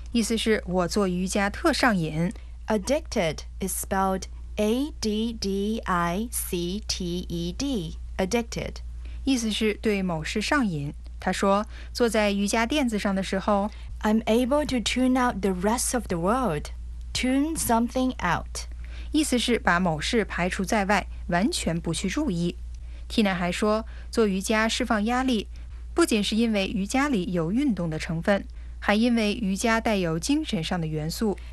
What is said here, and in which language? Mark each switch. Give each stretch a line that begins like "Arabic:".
Chinese: 意思是我做瑜伽特上瘾。
English: Addicted is spelled A-D-D-I-C-T-E-D. Addicted.
Chinese: 意思是对某事上瘾。她说坐在瑜伽垫子上的时候
English: I'm able to tune out the rest of the world. Tune something out.
Chinese: 意思是把某事排除在外，完全不去注意。 Tina 还说，做瑜伽释放压力，不仅是因为瑜伽里有运动的成分，还因为瑜伽带有精神上的元素